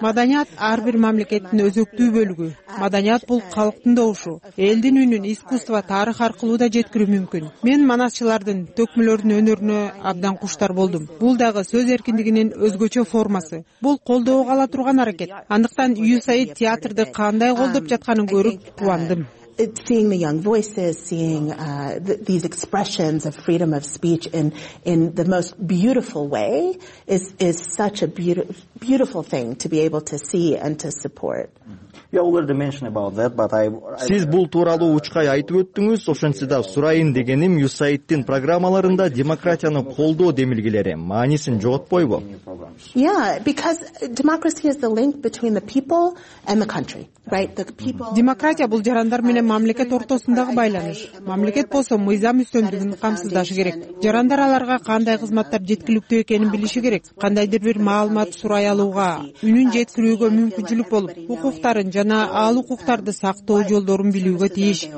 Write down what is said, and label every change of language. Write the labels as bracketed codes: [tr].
[ky] Маданият ар бир мамлекеттин өзөктүү бөлүгү. Маданият бул калктын добушу. Элдин үнүн искусство, тарых аркылуу да жеткирүү мүмкүн. Мен манасчылардын, төкмөлөрдүн өнөрүнө абдан куштар болдум. Бул дагы сөз эркиндигинин өзгөчө формасы. Бул колдоого ала турган аракет. Андыктан Юсаид театрды кандай колдоп жатканын көрүп кубандым. [en] It's seeing the young voices, seeing these expressions of freedom of speech in the most beautiful way is such a beautiful thing to be able to see and to support. You already mentioned about that, but I... [ky] Сиз бул тууралуу учкай айтып өттүңүз, ошентсе сурайын дегеним, Юсаиддин программаларында демократияны колдоо демилгелери маанисин жоготпойбу? [en] Yeah, because democracy is the link between the people and the country, right? The people... [ky] Демократия бул жарандар менен мамлекет ортосундагы байланыш. Мамлекет болсо мыйзам үстөмдүгүн камсыздашы керек. Жарандар аларга кандай кызматтар жеткиликтүү экенин билиши керек. Кандайдыр бир маалымат сурай алууга, үнүн жеткирүүгө мүмкүнчүлүк болуп, укуктарын жана ал укуктарды сактоо жолдорун билүүгө тийиш.